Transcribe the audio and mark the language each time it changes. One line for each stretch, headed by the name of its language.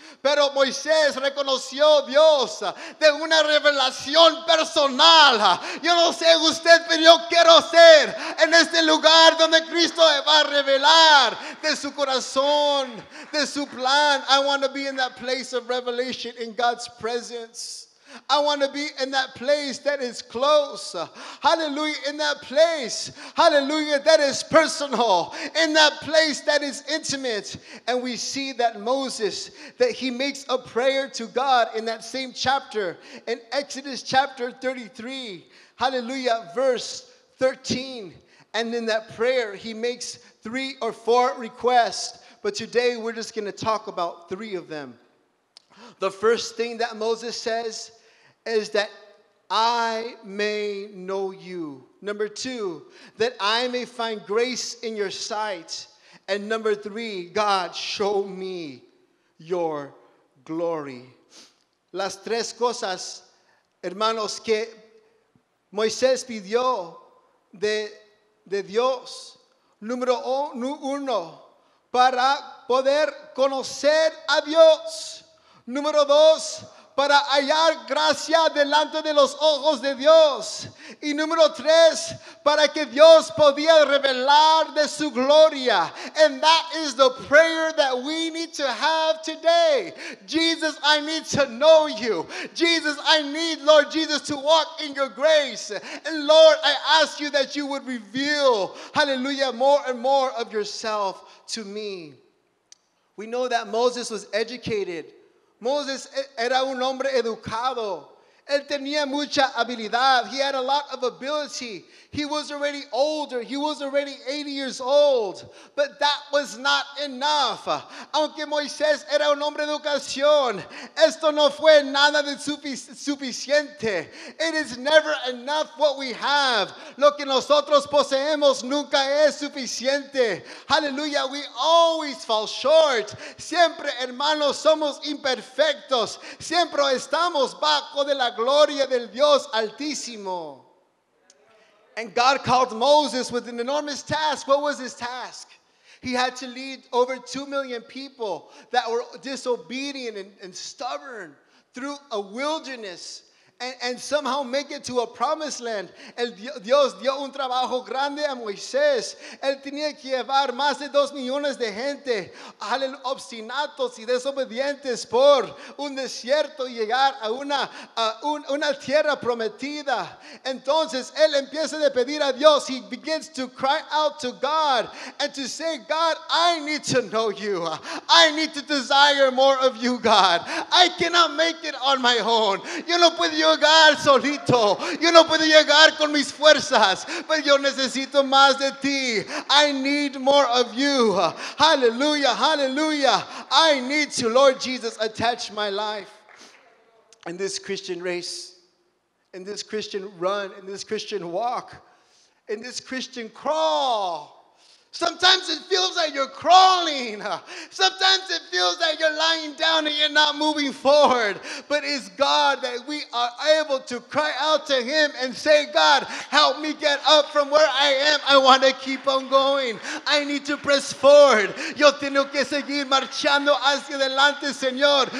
Spanish: Pero Moisés reconoció a Dios de una revelación personal. Yo no sé usted, pero yo quiero ser en este lugar donde Cristo va a revelar de su corazón, de su plan.
English: I want to be in that place of revelation in God's presence. I want to be in that place that is close. Hallelujah. In that place, hallelujah, that is personal. In that place that is intimate. And we see that Moses, that he makes a prayer to God in that same chapter, in Exodus chapter 33. Hallelujah. Verse 13. And in that prayer, he makes three or four requests. But today we're just going to talk about three of them. The first thing that Moses says is that I may know you. Number two, that I may find grace in your sight. And number three, God, show me your glory.
Spanish: Las tres cosas, hermanos, que Moisés pidió de Dios. Número uno, para poder conocer a Dios. Número dos, para hallar gracia delante de los ojos de Dios. Y número tres, para que Dios podía revelar de su gloria.
English: And that is the prayer that we need to have today. Jesus, I need to know you. Jesus, I need, Lord Jesus, to walk in your grace. And Lord, I ask you that you would reveal, hallelujah, more and more of yourself to me. We know that Moses was educated.
Spanish: Moses era un hombre educado. Él tenía mucha habilidad.
English: He had a lot of ability. He was already older. He was already 80 years old. But that was not enough.
Spanish: Aunque Moisés era un hombre de educación, esto no fue nada de suficiente.
English: It is never enough what we have.
Spanish: Lo que nosotros poseemos nunca es suficiente.
English: Hallelujah. We always fall short.
Spanish: Siempre, hermanos, somos imperfectos. Siempre estamos bajo de la gloria del Dios Altísimo.
English: And God called Moses with an enormous task. What was his task? He had to lead over 2 million people that were disobedient and stubborn through a wilderness and somehow make it to a promised land.
Spanish: El Dios dio un trabajo grande a Moisés. Él tenía que llevar más de 2 millones de gente, obstinados y desobedientes, por un desierto y llegar a una tierra prometida. Entonces, él empieza a pedir a Dios.
English: He begins to cry out to God and to say, God, I need to know you. I need to desire more of you, God. I cannot make it on my own.
Spanish: Yo no puedo llegar solito. Yo no puedo llegar con mis fuerzas. Pero yo necesito más de ti.
English: I need more of you. Hallelujah, hallelujah. I need to, Lord Jesus, attach my life. In this Christian race, in this Christian run, in this Christian walk, in this Christian crawl. Sometimes it feels like you're crawling. Sometimes it feels like you're lying down and you're not moving forward. But it's God that we are able to cry out to Him and say, God, help me get up from where I am. I want to keep on going. I need to press forward.
Spanish: Yo tengo que seguir marchando hacia adelante, Señor.